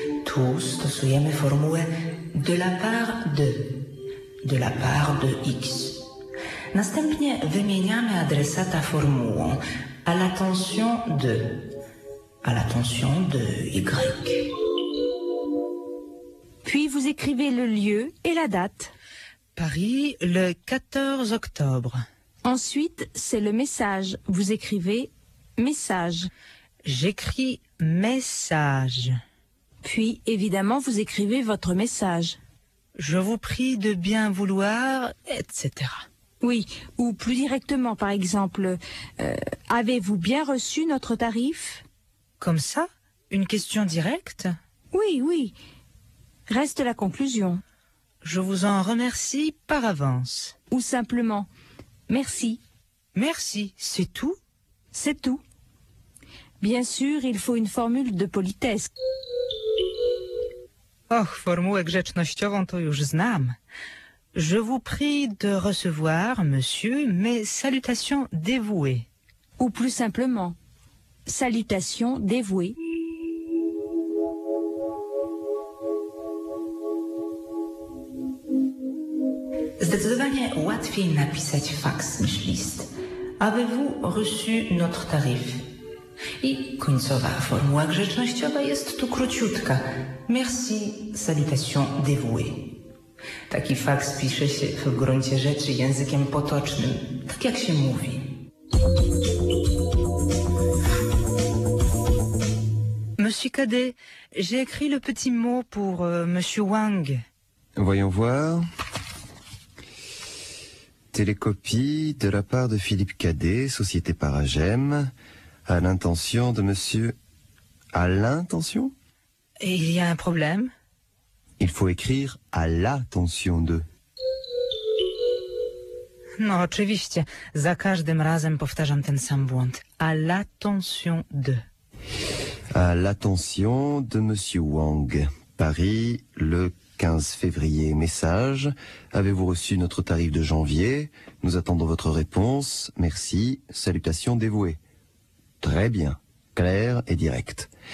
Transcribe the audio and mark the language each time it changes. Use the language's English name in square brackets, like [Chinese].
[Polish] Tu stosujemy formułę [French] de la part de, de la part de X. [Polish] Następnie wymieniamy adresata formułą [French] à l'attention de, à l'attention de Y. Puis vous écrivez le lieu et la date. Paris, le 14 octobre. Ensuite, c'est le message. Vous écrivez... Message. J'écris message. Puis, évidemment, vous écrivez votre message. Je vous prie de bien vouloir, etc. Oui, ou plus directement, par exemple, avez-vous bien reçu notre tarif? Comme ça? Une question directe? Oui, oui. Reste la conclusion. Je vous en remercie par avance. Ou simplement, merci. Merci, c'est tout? C'est tout. Bien sûr, il faut une formule de politesse. [Polish] Och, formułę grzecznościową to już znam. [French] Je vous prie de recevoir, monsieur, mes salutations dévouées. Ou plus simplement, salutations dévouées. [Polish] Zdecydowanie łatwiej napisać faks niż list. [French] Avez-vous reçu notre tarif? [Polish] I końcowa formuła grzecznościowa jest tu króciutka. [French] Merci, salutation dévouée. [Polish] Taki faks pisze się w gruncie rzeczy językiem potocznym, tak jak się mówi. [French] Monsieur Cadet, j'ai écrit le petit mot pour monsieur Wang. Voyons voir. Télécopie de la part de Philippe Cadet, société Paragem. À l'intention de monsieur... À l'intention? Il y a un problème? Il faut écrire à l'attention de. [Polish] No, oczywiście. Za każdym razem powtarzam ten sam błąd. [French] À l'attention de. À l'attention de monsieur Wang. Paris, le 15 février. Message. Avez-vous reçu notre tarif de janvier? Nous attendons votre réponse. Merci. Salutations dévouées. Très bien, clair et direct.